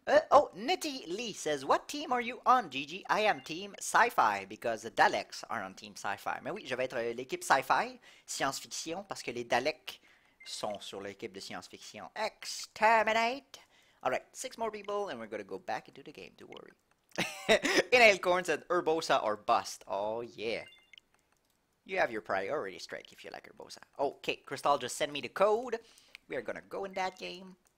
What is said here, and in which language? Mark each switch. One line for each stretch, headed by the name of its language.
English: Oh, Nitty Lee says, "What team are you on, Gigi?" I am team sci-fi because the Daleks are on team sci-fi.
French: Mais oui, je vais être l'équipe sci-fi, science-fiction, parce que les Daleks sont sur l'équipe de science-fiction.
English: Exterminate. Alright, 6 more people and we're gonna go back into the game, don't worry. Inhalecorn says, "Urbosa or bust." Oh yeah. You have your priority strike if you like Urbosa. Okay, Crystal, just send me the code. We are gonna go in that game.